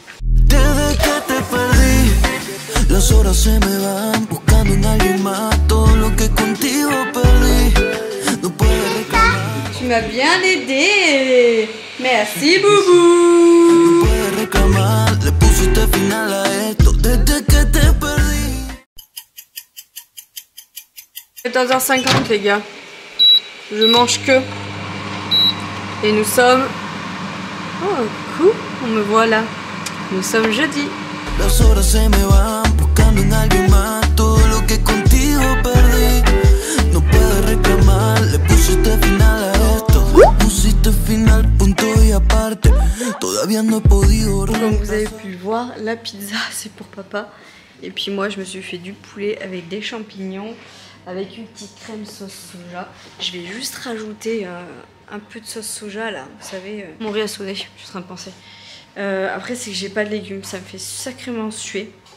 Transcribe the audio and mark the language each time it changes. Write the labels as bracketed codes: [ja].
[es] Desde que te perdí, las horas se me van buscando en alguien más. Todo lo que contigo perdí, no puedo reclamar. [fr] Tu m'as bien aidé, merci Boubou. [es] No puedo reclamar, le pusiste final a esto. Desde que te perdí. [fr] 14h50 les gars. Je mange que. Et nous sommes. On me voit là. Nous sommes jeudi. [es] Las horas se me van buscando en alguien más. Todo lo que contigo perdí. No puedo reclamar. Le pusiste final a esto. Pusiste final, punto y aparte. Todavía no he podido. [fr] Comme vous avez pu le voir, la pizza c'est pour papa. Et puis moi je me suis fait du poulet avec des champignons. Avec une petite crème sauce soja. Je vais juste rajouter un peu de sauce soja là. Vous savez, mon riz a sonné, je suis en train de penser. Après c'est que j'ai pas de légumes, ça me fait sacrément suer.